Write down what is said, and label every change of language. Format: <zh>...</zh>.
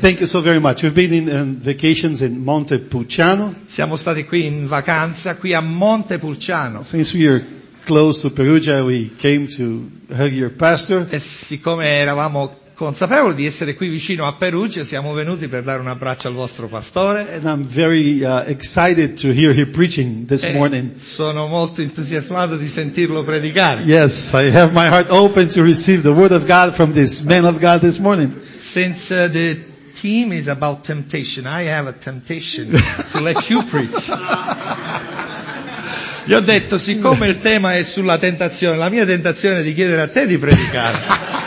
<en>Thank you so very much. We've been in vacations in Monte Pulciano.</en> <it>Siamo stati qui in vacanza qui a Monte Pulciano.</it> <en>Since we are close to Perugia, we came to hug your pastor.</en> <it>E siccome eravamo consapevoli di essere qui vicino a Perugia, siamo venuti per dare un abbraccio al vostro pastore.</it> <en>And I'm very excited to hear him preaching this morning.</en> <it>Sono molto entusiasmato di sentirlo predicare.</it> <en>Yes, I have my heart open to receive the word of God from this man of God this morning. Since the theme is about temptation, I have a temptation to let you preach.</en> <it>Gli ho detto, siccome il tema è sulla tentazione, la mia tentazione è di chiedere a te di predicare.</it>